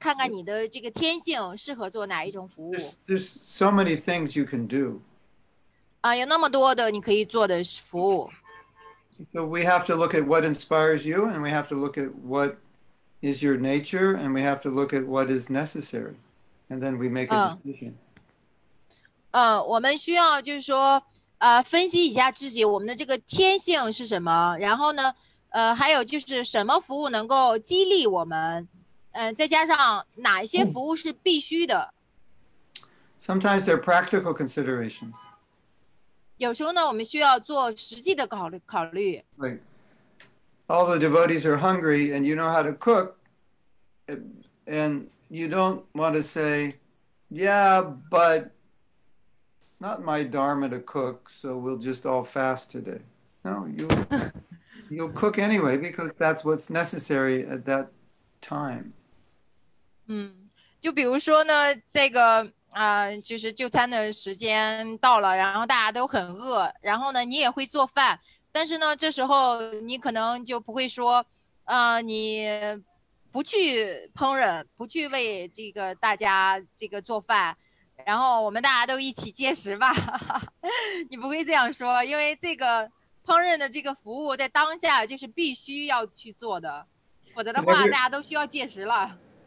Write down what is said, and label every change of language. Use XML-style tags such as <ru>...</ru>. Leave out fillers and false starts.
<zh>你可以就是分析一下你自身，看看你的这个天性适合做哪一种服务。</zh> <en>There's so many things you can do.</en> <zh>有那么多的你可以做的服务。</zh> <en>So we have to look at what inspires you, and we have to look at what is your nature, and we have to look at what is necessary, and then we make a decision.</en> <zh>我们需要就是说，分析一下自己我们的这个天性是什么，然后呢？还有就是什么服务能够激励我们，再加上哪些服务是必须的。</zh> <en>Sometimes they're practical considerations.</en> <zh>有时候呢，我们需要做实际的考虑。</zh> <en>Right. All the devotees are hungry, and you know how to cook, and you don't want to say, yeah, but it's not my dharma to cook, so we'll just all fast today. No, you... You'll cook anyway because that's what's necessary at that time.</en> <zh>就比如说呢，这个就是就餐的时间到了，然后大家都很饿，然后呢，你也会做饭，但是呢，这时候你可能就不会说，你不去烹饪，不去为这个大家这个做饭，然后我们大家都一起节食吧，你不会这样说，因为这个烹饪的这个服务在当下就是必须要去做的，否则的话大家都需要节食了。</zh>